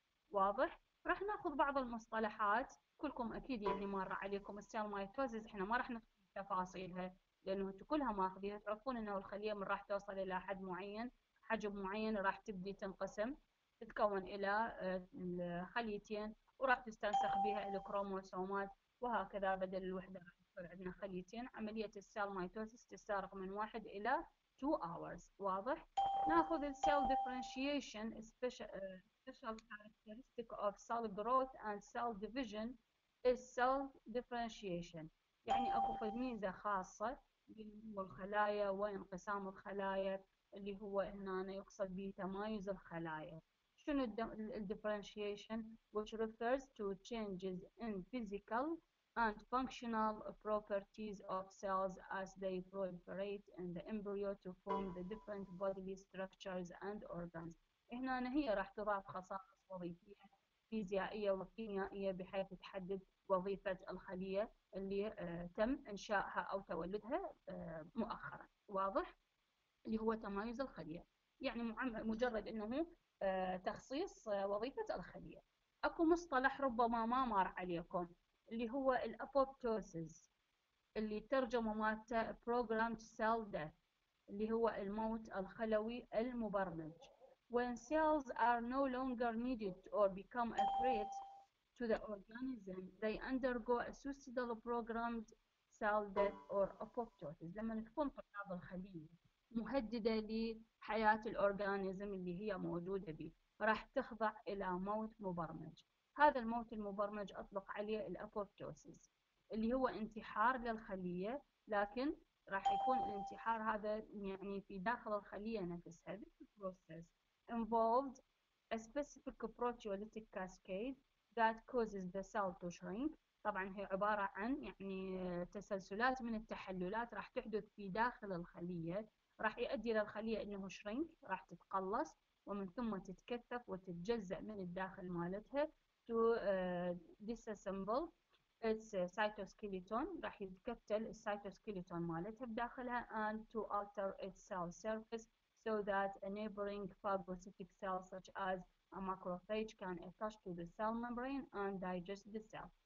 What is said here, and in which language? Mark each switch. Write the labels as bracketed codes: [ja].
[ar] واضح؟ راح ناخذ بعض المصطلحات كلكم أكيد يعني مر عليكم السيل مايتوزز، إحنا ما راح ندخل تفاصيلها لأنه أنتوا كلها ماخذيها، تعرفون إنه الخلية من راح توصل إلى حد معين، حجم معين، راح تبدي تنقسم، تتكون إلى خليتين، وراح تستنسخ بها الكروموسومات، وهكذا بدل الوحدة راح يصير عندنا خليتين. عملية السيل مايتوزز تستغرق من 1 إلى 2 hours. واضح؟ ناخذ السيل ديفرنشيشن، [en] special characteristic of cell growth and cell division is cell differentiation. [ar] يعني اكو ميزة خاصة للخلايا وانقسام الخلايا اللي هو هنا يقصد به تمايز الخلايا. شنو [en] differentiation؟ which refers to changes in physical and functional properties of cells as they proliferate in the embryo to form the different bodily structures and organs. [ar] هنا هي راح تضاف خصائص وظيفية فيزيائية وكيميائية بحيث تحدد وظيفة الخلية اللي تم إنشائها أو تولدها مؤخرا. واضح؟ اللي هو تمايز الخلية. يعني مجرد انه تخصيص وظيفة الخلية. اكو مصطلح ربما ما مر عليكم، اللي هو الابوبتوسيس، اللي ترجمه مالته programmed cell death، اللي هو الموت الخلوي المبرمج. [en] When cells are no longer needed or become a threat to the organism, they undergo a suicidal programmed cell death or apoptosis. [ar] لما تكون طلاب الخلية مهددة لحياة الأورجانيزم اللي هي موجودة به، راح تخضع إلى موت مبرمج. هذا الموت المبرمج أطلق عليه الأبوبتوسيس، اللي هو انتحار للخلية، لكن راح يكون الانتحار هذا يعني في داخل الخلية نفسها. [en] This process involved a specific proteolytic cascade that causes the cell to shrink. [ar] طبعا هي عبارة عن يعني تسلسلات من التحللات راح تحدث في داخل الخلية، راح يؤدي للخلية انه شرينك، راح تتقلص ومن ثم تتكثف وتتجزأ من الداخل مالتها [en] to disassemble its cytoskeleton، [ar] راح يتكتل السيتوسكيليتون مالتها بداخلها [en] and to alter its cell surface so that a neighboring phagocytic cell such as a macrophage can attach to the cell membrane and digest the cell.